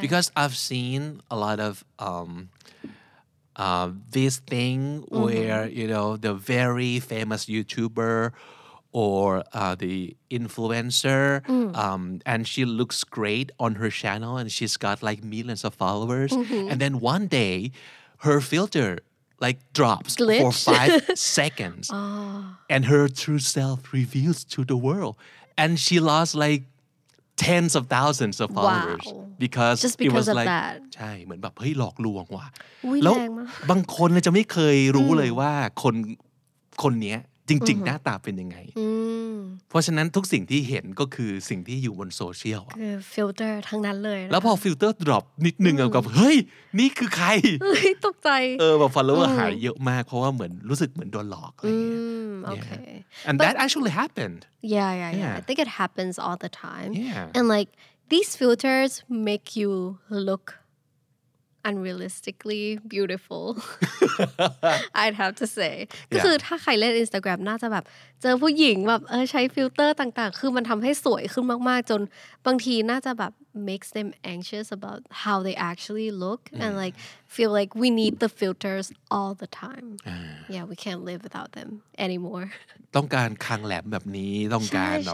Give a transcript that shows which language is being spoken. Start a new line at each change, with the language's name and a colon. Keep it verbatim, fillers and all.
English: because I've seen a lot of um, uh, this thing where, you know, the very famous YouTuber or uh, the influencer, um, and she looks great on her channel and she's got like millions of followers. And then one day, her filter like drops for Glitch. five seconds. And her true self reveals to the world. And she lost like tens of thousands of followers Wow. because Just it was because of like that.
Thai: ใช่เหมือนแบบเฮ้ยหลอกลวงว่ะ อุ๊ย แล้ว แรงมาก บางคนเนี่ยจะไม่เคยรู้เลยว่าคนคนเนี้ยจริง ๆ หน้าตาเป็นยังไง Mm. เพราะฉะนั้นทุกสิ่งที่เห็นก็คือสิ่งที่อยู่บนโซเชียลอะ คือ filter ทั้งนั้นเลยนะคะ แล้วพอฟิลเตอร์ดรอปนิดนึงอะกับเฮ้ยนี่คือใคร เฮ้ยตกใจ เออแบบ follower หายเยอะมากเพราะว่าเหมือนรู้สึกเหมือนโดนหลอกอะไรอย่างเงี้ย Mm,
English: Yeah. okay. and that actually happened Yeah, yeah, yeah, Yeah. I think it happens all the time. Yeah. And like these filters make you look unrealistically beautiful. I'd have to say
Thai: ก็คือถ้าใครเล่น Instagram น่าจะแบบเจอผู้หญิงแบบเออใช้ฟิลเตอร์ต่างๆ คือมันทำให้สวยขึ้นมากๆ จนบางทีน่าจะแบบ
English: makes them anxious about how they actually look and like feel like we need the filters all the time. Yeah, we can't live without them anymore.
Thai: ต้องการคางแหลมแบบนี้ต้องการแบบ